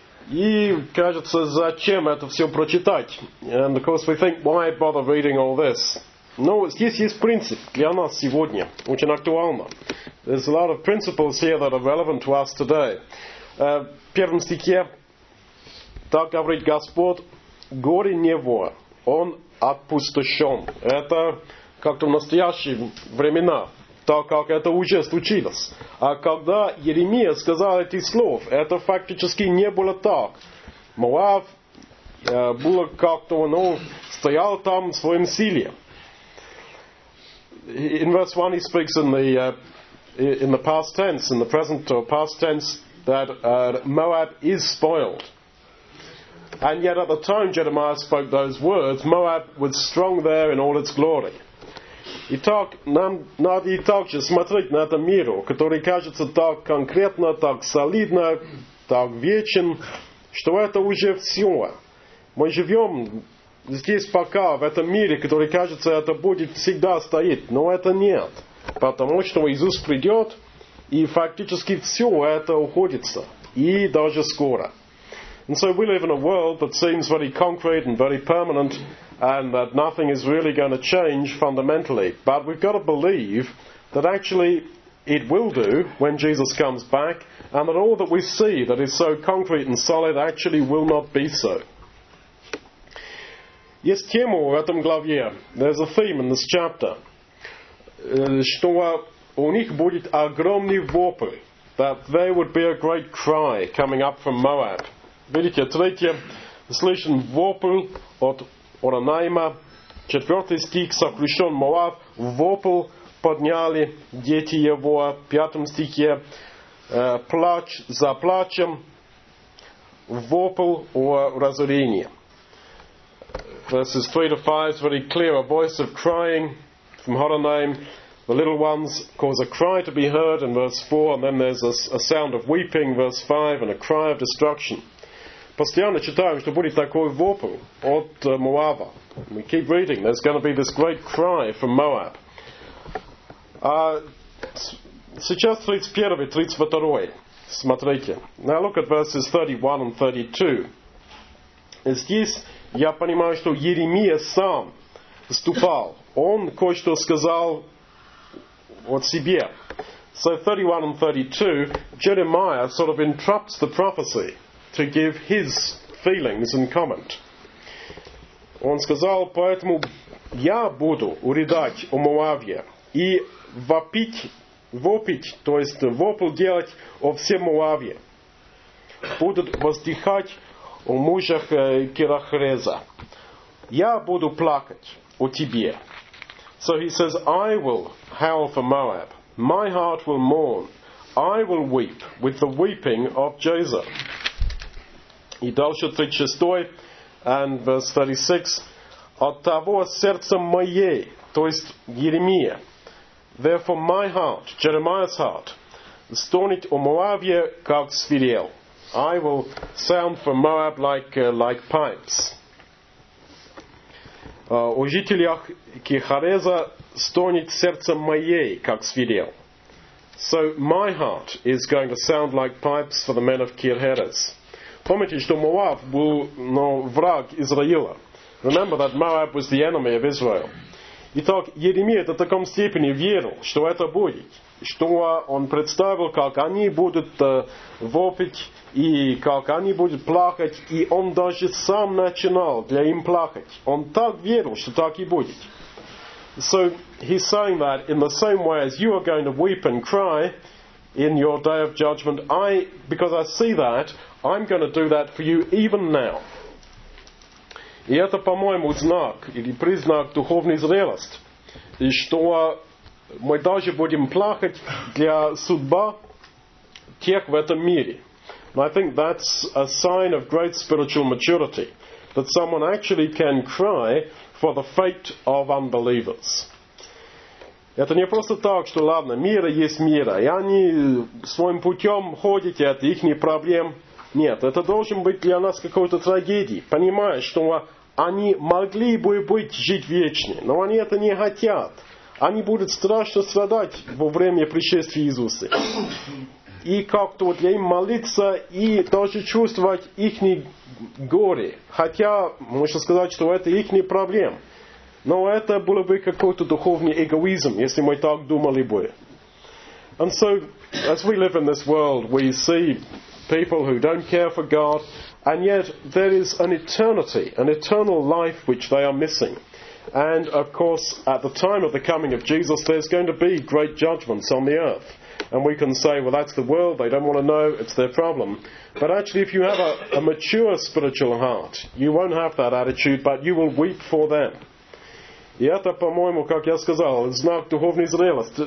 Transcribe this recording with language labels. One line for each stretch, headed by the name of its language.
Russian: И кажется, зачем это все прочитать?
English: And of course we think, why bother reading all this?
Russian: Но здесь есть принцип для нас сегодня, очень актуально.
English: There's a lot of principles here that are relevant to us today.
Russian: В первом стихе так говорит Господь, горе него, он опустошен. Это как-то в настоящие времена, так как это уже случилось. А когда Иеремия сказал эти слова, это фактически не было так. Моав было как-то, ну, стоял там в своем силе.
English: In verse 1 he speaks in the past tense, in the present or past tense, that Moab is spoiled. And yet at the time Jeremiah spoke those words, Moab was strong there in all its glory.
Russian: Итак, нам надо и так же смотреть на этот мир, который кажется так конкретно, так солидно, так вечен, что это уже все. Мы живем здесь пока, в этом мире, который кажется, это будет всегда стоять, но это нет. Потому что Иисус придет, и фактически все это уходится. И даже скоро.
English: And so we live in a world that seems very concrete and very permanent, and that nothing is really going to change fundamentally. But we've got to believe that actually it will do when Jesus comes back, and that all that we see that is so concrete and solid actually will not be so.
Russian: Есть тема в этом главе.
English: There's a theme in this chapter.
Russian: Что у них будет огромный вопль.
English: That there would be a great cry coming up from Moab.
Russian: Видите, третье. Слышен вопль от Оронайма. Четвертый стих. Сокрушен Моав. Вопль подняли дети его. В пятом стихе. Плач за плачем. Вопль о разорении.
English: Verses 3 to 5 is very clear. A voice of crying from Horonaim. The little ones cause a cry to be heard in verse 4. And then there's a sound of weeping, verse 5, and a cry of destruction.
Russian: Постоянно читаем, что будет такой вопль от Моава.
English: We keep reading. There's going to be this great cry from Moab.
Russian: Сейчас 31 и 32. Смотрите.
English: Now look at verses 31 and 32.
Russian: Здесь я понимаю, что Иеремия сам вступал. Он кое-что сказал от себя.
English: So 31 and 32, Jeremiah sort of interrupts the prophecy to give his feelings and comment.
Russian: Он сказал, поэтому я буду уредать о Моавии и вопить, то есть вопль делать о всем Моавии. Будут воздыхать о мужах Кирахреза. Я буду плакать о тебе.
English: So he says, I will howl for Moab. My heart will mourn. I will weep with the weeping of Jazer.
Russian: И дальше 36
English: and verse 36.
Russian: От того сердца мое, то есть Иеремия.
English: Therefore my heart, Jeremiah's heart,
Russian: стонет о Моавии, как свирел.
English: I will sound for Moab like pipes.
Russian: О жителях Кирахреза стонет сердце мое, как свирел.
English: So my heart is going to sound like pipes for the men of Кирахрез.
Russian: Помните, что Моав был враг Израиля.
English: Remember that Moab was the enemy of Israel.
Russian: Итак, Иеремия до такой степени верил, что это будет. Что он представил, как они будут вопить, и как они будут плакать, и он даже сам начинал для им плакать. Он так верил, что так и будет.
English: So he's saying that in the same way as you are going to weep and cry in your day of judgment, because I see that, I'm going to do that for you even now.
Russian: И это, по-моему, знак или признак духовной зрелости, что мы даже будем плакать для судьбы тех в этом мире.
English: And I think that's a sign of great spiritual maturity, that someone actually can cry for the fate of unbelievers.
Russian: Это не просто так, что ладно, мир есть мир, и они своим путем ходят, и это их не проблем. Нет, это должен быть для нас какой-то трагедией, понимая, что они могли бы жить вечно, но они это не хотят. они будут страшно страдать во время пришествия Иисуса. И как-то вот я им молиться и даже чувствовать их горе. Хотя можно сказать, что это их проблем. Но это было бы какой-то духовный эгоизм, если мы так думали бы.
English: And so, as we live in this world, we see people who don't care for God, and yet there is an eternity, an eternal life which they are missing. And of course, at the time of the coming of Jesus, there's going to be great judgments on the earth. And we can say, well, that's the world, they don't want to know, it's their problem. But actually, if you have a mature spiritual heart, you won't have that attitude, but you will weep for them.
Russian: И это, по-моему, как я сказал, знак духовной зрелости.